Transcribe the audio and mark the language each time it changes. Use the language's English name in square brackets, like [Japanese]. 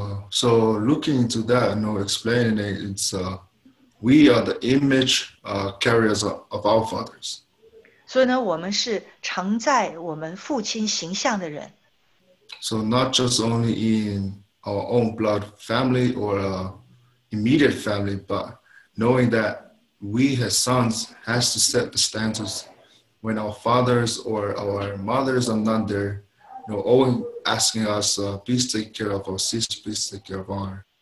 [English] So looking into that, you know, explaining it, it's we are the image carriers of our fathers. [Chinese] 所以呢，我们是常在我们父亲形象的人。 [English] So not just only in our own blood family or immediate family, but knowing that we as sons has to set the standards when our fathers or our mothers are not there, you know, always asking us, please take care of our sister, please take care of our.